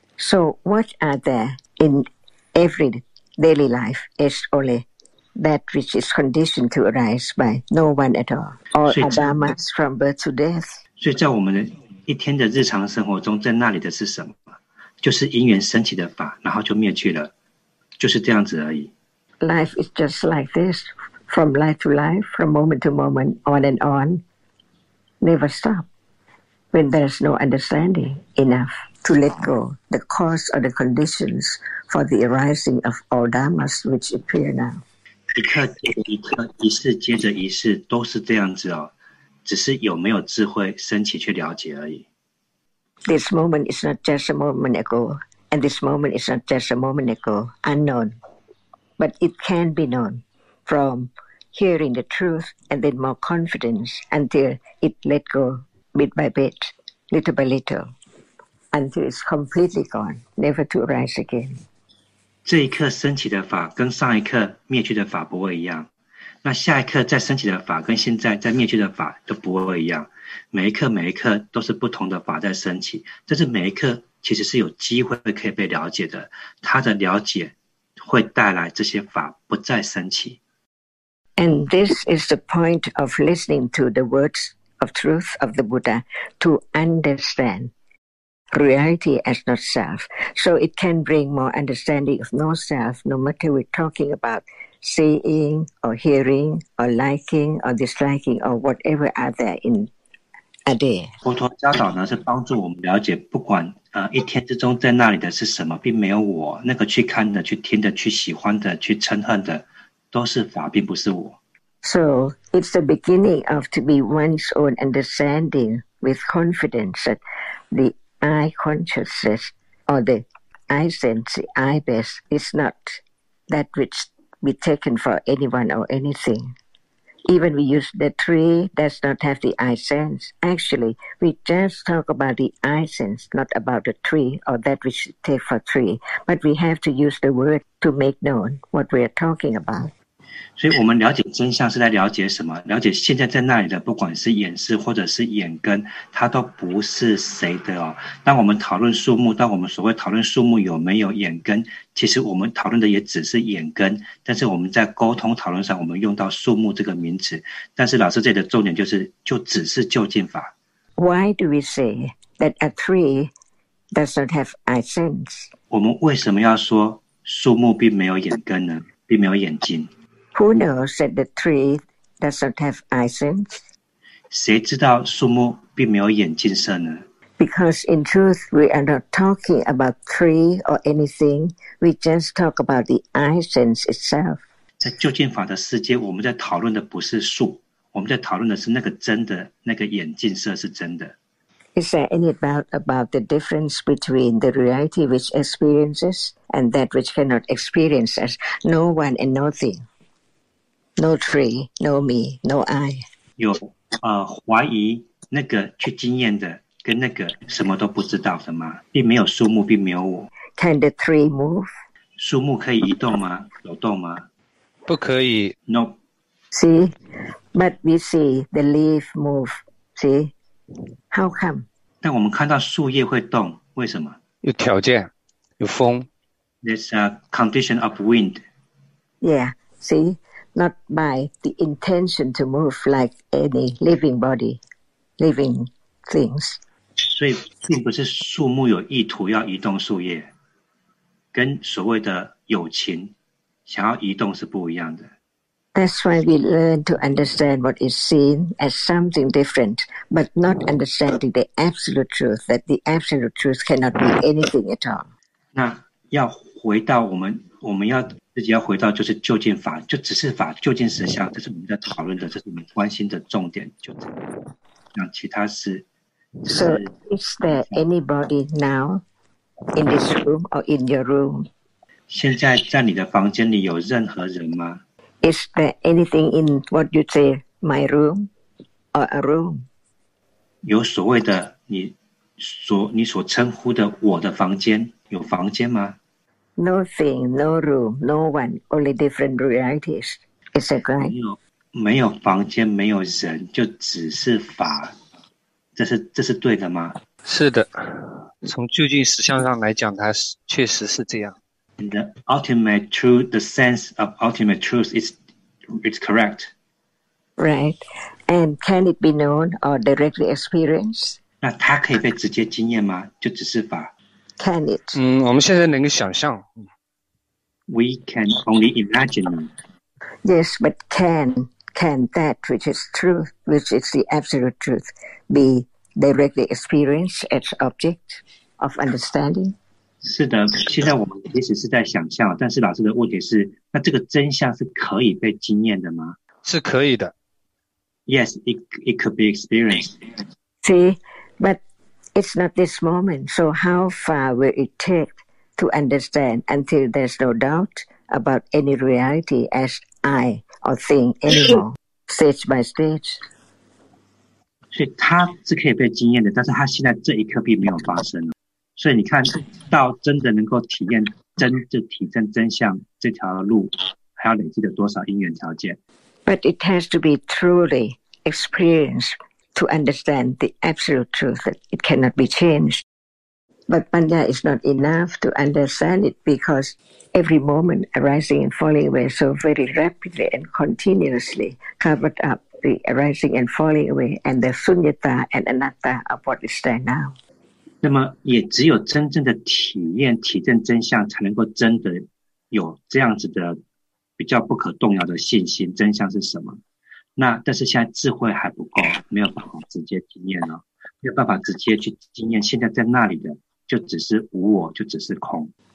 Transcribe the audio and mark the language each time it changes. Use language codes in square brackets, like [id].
[en] So what are there in every daily life is only that which is conditioned to arise by no one at all, or adamas from birth to death. [zh] 所以在我们的一天的日常生活中，在那里的是什么？就是因缘升起的法，然后就灭去了，就是这样子而已。 [en] Life is just like this, from life to life, from moment to moment, on and on, never stop. When there is no understanding enough to let go the cause or the conditions for the arising of all dharmas which appear now. [zh] 一刻接着一刻，一世接着一世，都是这样子哦，只是有没有智慧升起去了解而已。 [en] This moment is not just a moment ago, and this moment is not just a moment ago, unknown. But it can be known from hearing the truth and then more confidence until it let go bit by bit, little by little, until it's completely gone, never to arise again. [zh] 这一刻升起的法跟上一刻灭去的法不会一样，那下一刻再升起的法跟现在再灭去的法都不会一样，每一刻每一刻都是不同的法在升起，但是每一刻其实是有机会可以被了解的，它的了解会带来这些法不再生起。 [en] And this is the point of listening to the words of truth of the Buddha to understand reality as not self. So it can bring more understanding of no self, no matter we're talking about seeing or hearing or liking or disliking or whatever are there in a day. [zh] 佛陀教导呢是帮助我们了解不管一天之中在那里的是什么，并没有我那个去看的、去听的、去喜欢的、去嗔恨的，都是法，并不是我。 [en] So it's the beginning of to be one's own understanding with confidence that the I consciousness or the I sense, the I best is not that which be taken for anyone or anything. Even we use the tree does not have the I sense. Actually, we just talk about the I sense, not about the tree or that which we take for tree. But we have to use the word to make known what we are talking about. [zh] 所以我们了解真相是在了解什么？了解现在在那里的，不管是眼识或者是眼根，它都不是谁的哦。当我们讨论树木，当我们所谓讨论树木有没有眼根，其实我们讨论的也只是眼根。但是我们在沟通讨论上，我们用到树木这个名词。但是老师这里的重点就是，就只是究竟法。 [en] Why do we say that a tree does not have eye sense? [zh] 我们为什么要说树木并没有眼根呢？并没有眼睛？ [en] Who knows that the tree does not have eye sense? [zh] 谁知道树木并没有眼睛色呢？ [en] Because in truth, we are not talking about tree or anything. We just talk about the eye sense itself. [zh] 在究竟法的世界，我们在讨论的不是树，我们在讨论的是那个真的，那个眼睛色是真的。 [en] Is there any doubt about the difference between the reality which experiences and that which cannot experience as no one and nothing? No tree, no me, no I. [zh] 有怀疑那个去经验的跟那个什么都不知道的吗？并没有树木，并没有我。 [en] Can the tree move? [zh] 树木可以移动吗？有动吗？不可以。 [en] No. See, but we see the leaf move. See, how come? [zh] 但我们看到树叶会动，为什么？有条件，有风。 [en] There's a condition of wind. Yeah, see. Not by the intention to move like any living body, living things. [zh] 所以并不是树木有意图要移动树叶，跟所谓的友情想要移动是不一样的。 [en] That's why we learn to understand what is seen as something different, but not understanding the absolute truth, that the absolute truth cannot be anything at all. [zh] 那要回到我们要自己要回到就是究竟法，就只是法究竟实相，这是我们在讨论的，这是我们关心的重点，就这样。其他是。 [en] So is there anybody now in this room or in your room? [zh] 现在在你的房间里有任何人吗？ [en] Is there anything in what you say, my room or a room? [zh] 有所谓的你所称呼的我的房间，有房间吗？ [en] No thing, no room, no one, only different realities. Is that right? [zh] 没有房间，没有人，就只是法。这是对的吗？是的，从究竟实相上来讲，它是确实是这样。 [en] And the ultimate truth, the sense of ultimate truth is correct. Right. And can it be known or directly experienced? [zh] 那它可以被直接经验吗？就只是法。 [en] Can it? [zh] 我们现在能够想象。 [en] We can only imagine. Yes, but can that which is truth, which is the absolute truth, be directly experienced as object of understanding? [zh] 是的，现在我们其实是在想象，但是老师的问题是，那这个真相是可以被经验的吗？是可以的。 [en] Yes, it could be experienced. See, but it's not this moment, so how far will it take to understand until there's no doubt about any reality as I or thing anymore, stage by stage? [zh] 所以它是可以被经验的，但是它现在这一刻并没有发生。所以你看到真的能够体验真就体证真相这条路还要累积的多少因缘条件。 [en] But it has to be truly experienced to understand the absolute truth that it cannot be changed. But Panya is not enough to understand it because every moment arising and falling away so very rapidly and continuously covered up the arising and falling away and the sunyata and anatta of what is there now. [zh] 那么也只有真正的体验体证真相才能够真的有这样子的比较不可动摇的信心真相是什么。那但是现在智慧还不够，没有办法直接经验了，没有办法直接去经验现在在那里的就只是无我，就只是空。